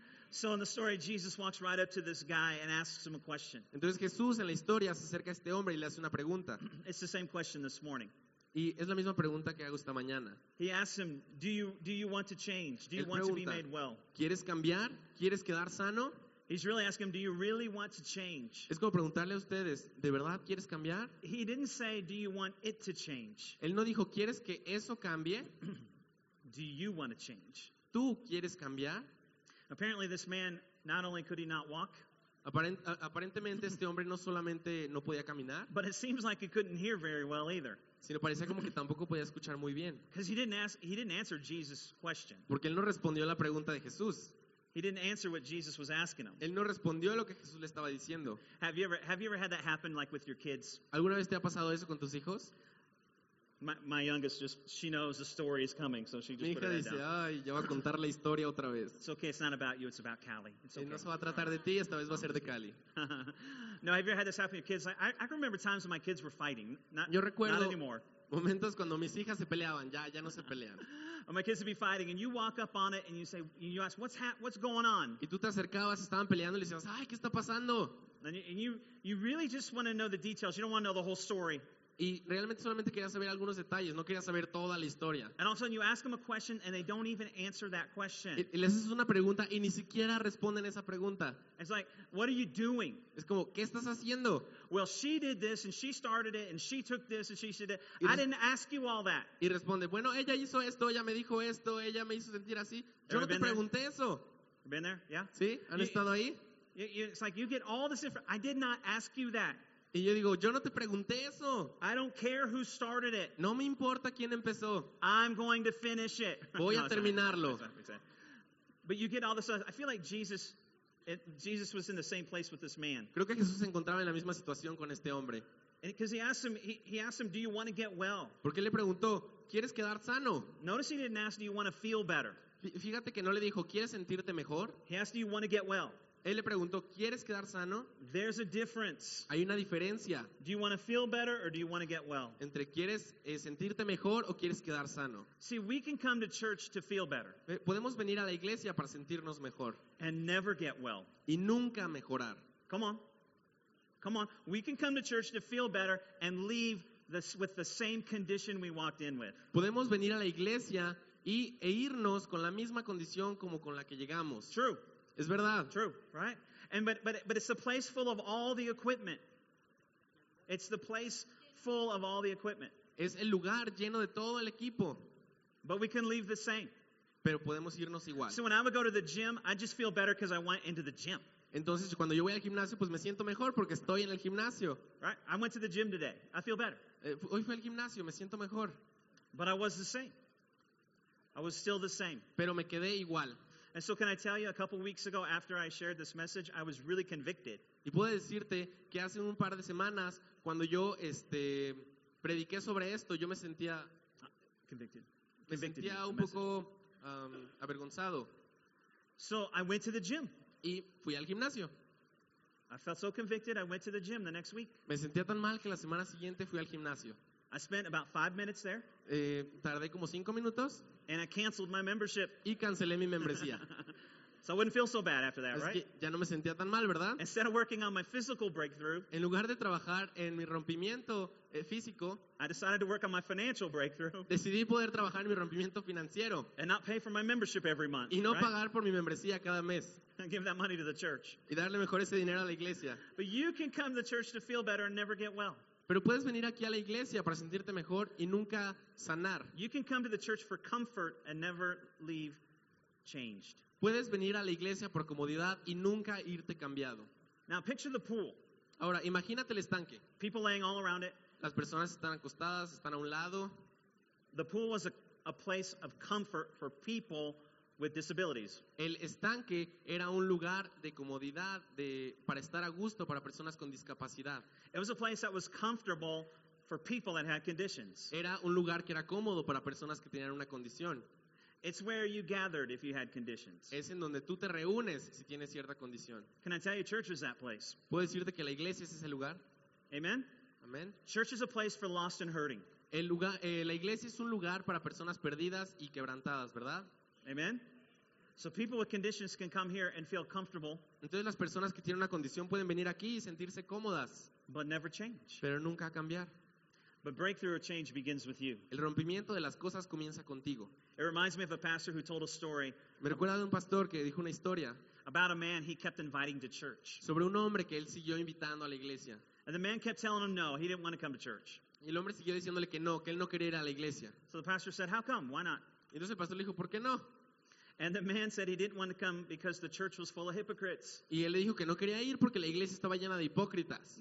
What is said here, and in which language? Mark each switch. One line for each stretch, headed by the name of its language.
English: So in the story, Jesus walks right up to this guy and asks him a question.
Spanish: Entonces Jesús en la historia se acerca a este hombre y le hace una pregunta.
English: It's the same question this morning.
Spanish: Y es la misma pregunta que hago esta mañana.
English: He asks him, do you want to change? Do you want to be made well?
Spanish: ¿Quieres cambiar? ¿Quieres quedar sano?
English: He's really asking him, do you really want to change?
Spanish: Es como preguntarle a ustedes, ¿de verdad quieres cambiar?
English: He didn't say, do you want it to change?
Spanish: Él no dijo, ¿quieres que eso cambie?
English: Do you want to change?
Spanish: ¿Tú quieres cambiar?
English: Apparently this man, not only could he not walk,
Spanish: aparentemente este hombre no solamente no podía caminar,
English: but it seems like he couldn't hear very well either.
Spanish: Sino parecía como que tampoco podía escuchar muy bien.
English: Because he didn't answer Jesus' question.
Spanish: Porque él no respondió a la pregunta de Jesús.
English: He didn't answer what Jesus was asking him.
Spanish: Él no respondió a lo que Jesús le estaba diciendo.
English: Have you ever had that happen like with your kids?
Spanish: ¿Alguna vez te ha pasado eso con tus hijos?
English: My youngest just, she knows the story is coming, so she just put it down.
Spanish: Mi hija dice, ay, ya va a contar la historia otra vez.
English: It's okay, it's not about you, it's about Cali.
Spanish: Él no se va a tratar de ti, esta vez va a ser de Cali.
English: No, have you ever had this happen with your kids? I remember times when my kids were fighting.
Spanish: Yo recuerdo.
English: Not anymore.
Spanish: Momentos cuando mis hijas se peleaban, ya no se pelean.
English: My kids would be fighting, and you walk up on it, and you say, you ask, what's going on?
Spanish: Y tú te acercabas, estaban peleando, y le decías, ay, ¿qué está pasando?
English: And you really just want to know the details. You don't want to know the whole story.
Spanish: Y realmente solamente quería saber algunos detalles, no quería saber toda la historia.
English: And all of a sudden you ask them a question, and they don't even answer that question.
Spanish: Y les haces una pregunta, y ni siquiera responden esa pregunta.
English: It's like, what are you doing?
Spanish: Es como, ¿qué estás haciendo?
English: Well, she did this, and she started it, and she took this, and she said it. I didn't ask you all that.
Spanish: Y responde, bueno, ella hizo esto, ella me dijo esto, ella me hizo sentir así. Yo no te pregunté eso.
English: Been there? Yeah.
Spanish: ¿Sí? ¿Han estado ahí?
English: It's like, you get all this information. I did not ask you that.
Spanish: Y yo digo, yo no te pregunté eso.
English: I don't care who started it.
Spanish: No me importa quién empezó.
English: I'm going to finish it.
Spanish: Voy a terminarlo.
English: But you get all this. I feel like Jesus was in the same place with this man.
Spanish: Creo que Jesús se encontraba en la misma situación con este hombre.
English: Because he asked him, do you want to get well?
Spanish: Porque le preguntó, ¿quieres quedar sano?
English: Notice he didn't ask, do you want to feel better?
Spanish: Fíjate que no le dijo, ¿quieres sentirte mejor?
English: He asked, do you want to get well?
Spanish: Él le preguntó, ¿quieres quedar sano?
English: There's a difference.
Spanish: Hay una diferencia.
English: Do you want to feel better or do you want to get well?
Spanish: Entre quieres sentirte mejor o quieres quedar sano.
English: See, we can come to church to feel better.
Spanish: Podemos venir a la iglesia para sentirnos mejor.
English: And never get well.
Spanish: Y nunca mejorar.
English: Come on. We can come to church to feel better and leave this with the same condition we walked in with.
Spanish: Podemos venir a la iglesia e irnos con la misma condición como con la que llegamos.
English: True.
Spanish: Es verdad.
English: True, right? And but it's the place full of all the equipment. It's the place full of all the equipment.
Spanish: Es el lugar lleno de todo el equipo.
English: But we can leave the same.
Spanish: Pero podemos irnos igual.
English: So when I would go to the gym, I just feel better because I went into the gym.
Spanish: Entonces cuando yo voy al gimnasio, pues me siento mejor porque estoy en el gimnasio.
English: Right? I went to the gym today. I feel better.
Spanish: Hoy fui al gimnasio, me siento mejor.
English: But I was the same. I was still the same.
Spanish: Pero me quedé igual.
English: And so can I tell you, a couple weeks ago after I shared this message, I was really convicted.
Spanish: Y puedo decirte que hace un par de semanas, cuando yo prediqué sobre esto, yo me sentía...
English: Convicted. Convicted.
Spanish: Me sentía un poco avergonzado.
English: So I went to the gym.
Spanish: Y fui al gimnasio.
English: I felt so convicted, I went to the gym the next week.
Spanish: Me sentía tan mal que la semana siguiente fui al gimnasio.
English: I spent about 5 minutes there.
Spanish: Tardé como 5 minutos.
English: And I canceled my membership.
Spanish: Y cancelé mi membresía.
English: So I wouldn't feel so bad after that,
Spanish: es
English: right?
Spanish: Ya no me sentía tan mal, ¿verdad?
English: Instead of working on my physical breakthrough,
Spanish: en lugar de trabajar en mi rompimiento físico,
English: I decided to work on my financial breakthrough.
Spanish: Decidí poder trabajar en mi rompimiento financiero.
English: And not pay for my membership every month.
Spanish: Y no
English: right?
Spanish: pagar por mi membresía cada mes.
English: And give that money to the church.
Spanish: Y darle mejor ese dinero a la iglesia.
English: But you can come to church to feel better and never get well.
Spanish: Pero puedes venir aquí a la iglesia para sentirte mejor y nunca sanar.
English: You can come to the church for comfort and never leave changed.
Spanish: Puedes venir a la iglesia por comodidad y nunca irte cambiado.
English: Now picture the pool.
Spanish: Ahora, imagínate el estanque.
English: People laying all around it.
Spanish: Las personas están acostadas, están a un lado.
English: The pool was a place of comfort for people with disabilities.
Spanish: El estanque era un lugar de comodidad para estar a gusto para personas con discapacidad.
English: It was a place that was comfortable for people that had conditions.
Spanish: Era un lugar que era cómodo para personas que tenían una condición.
English: It's where you gathered if you had conditions.
Spanish: Es en donde tú te reúnes si tienes cierta condición.
English: Can I tell you, church is that place?
Spanish: ¿Puedo decirte que la iglesia es ese lugar? Amen. Amen.
English: Church is a place for lost and hurting.
Spanish: La iglesia es un lugar para personas perdidas y quebrantadas, ¿verdad? Amen.
English: So people with conditions can come here and feel comfortable.
Spanish: Entonces las personas que tienen una condición pueden venir aquí y sentirse cómodas.
English: But never change.
Spanish: Pero nunca cambiar.
English: But breakthrough or change begins with you.
Spanish: El rompimiento de las cosas comienza contigo.
English: It reminds me of a pastor who told a story.
Spanish: Me recuerda de un pastor que dijo una historia.
English: About a man he kept inviting to church.
Spanish: Sobre un hombre que él siguió invitando a la iglesia.
English: And the man kept telling him no, he didn't want to come to church.
Spanish: Y el hombre siguió diciéndole que no, que él no quería ir a la iglesia.
English: So the pastor said, "How come? Why not?"
Spanish: Y entonces el pastor le dijo, "¿Por qué no?"
English: And the man said he didn't want to come because the church was full of hypocrites.
Spanish: Y él le dijo que no quería ir porque la iglesia estaba llena de hipócritas.